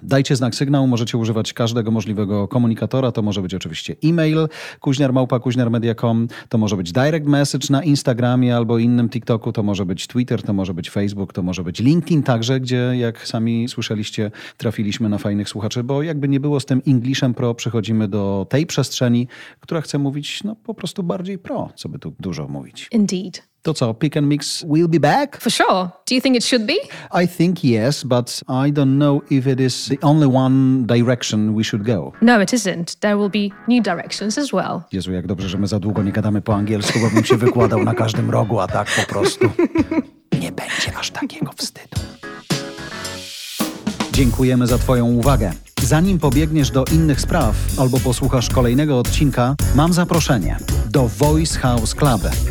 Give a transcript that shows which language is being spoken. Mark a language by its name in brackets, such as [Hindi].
[Polish] Dajcie znak sygnału, możecie używać każdego możliwego komunikatora, to może być oczywiście e-mail kuźniar@kuźniarmedia.com, to może być direct message na Instagramie albo innym TikToku, to może być Twitter, to może być Facebook, to może być LinkedIn także, gdzie jak sami słyszeliście, trafiliśmy na fajnych słuchaczy, bo jakby nie było z tym Englishem Pro, przechodzimy do tej przestrzeni, która chce mówić no po prostu bardziej pro, co by tu dużo mówić. [English] Indeed. To co, pick and mix will be back? For sure. Do you think it should be? I think yes, but I don't know if it is the only one direction we should go. No, it isn't. There will be new directions as well. [Polish] Jezu, jak dobrze, że my za długo nie gadamy po angielsku, bo bym się wykładał na każdym rogu, a tak po prostu. Nie będzie aż takiego wstydu. Dziękujemy za twoją uwagę. Zanim pobiegniesz do innych spraw albo posłuchasz kolejnego odcinka, mam zaproszenie do Voice House Club.